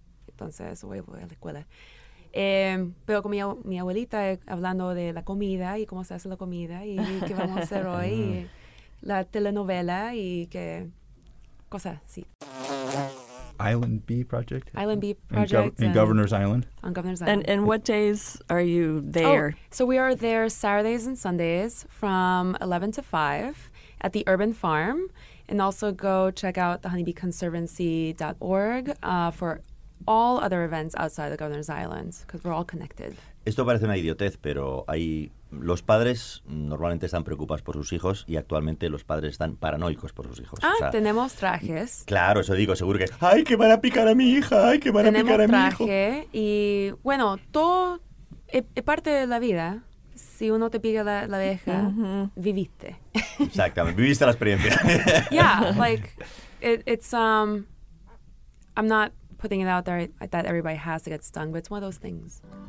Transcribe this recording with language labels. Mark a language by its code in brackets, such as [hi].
[es] Entonces, voy a la escuela. Pero con mi abuelita, hablando de la comida y cómo se hace la comida y qué vamos a hacer hoy. Uh-huh. Y la telenovela y qué cosas, sí. [en] Island Bee Project? Island Bee Project. In Governor's Island? On Governor's Island. And what days are you there? Oh, so we are there Saturdays and Sundays from 11 to 5 at the Urban Farm. And also go check out the honeybeeconservancy.org for all other events outside of Governor's Island, because we're all connected. [es] Esto parece una idiotez, pero hay... Los padres normalmente están preocupados por sus hijos y actualmente los padres están paranoicos por sus hijos. Ah, o sea, tenemos trajes. Claro, eso digo, seguro que... ¡Ay, que van a picar a mi hija! ¡Ay, que van tenemos a picar a mi hijo! Tenemos traje y, bueno, todo es parte de la vida. Si uno te pica la abeja, uh-huh, viviste. Exactamente, viviste la experiencia. [en] Yeah, like, it's... I'm not putting it out there that everybody has to get stung, but it's one of those things.